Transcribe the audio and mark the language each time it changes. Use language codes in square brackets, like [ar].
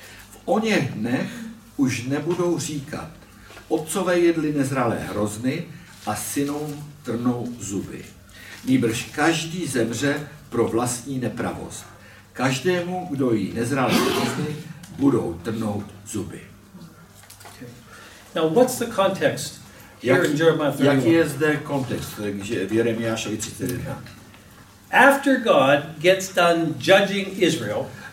[cs] V oněch dnech už nebudou říkat, otcové jedli nezralé hrozny a synům trnou zuby. Nýbrž každý zemře pro vlastní nepravost. Každému, kdo jí nezralé hrozny, budou trnout zuby. [en] Okay. Now what's the context here in Jeremiah 31? [cs] Jaký je zde kontext, takže v Jeremiášovi 31? [en] After God gets done judging Israel,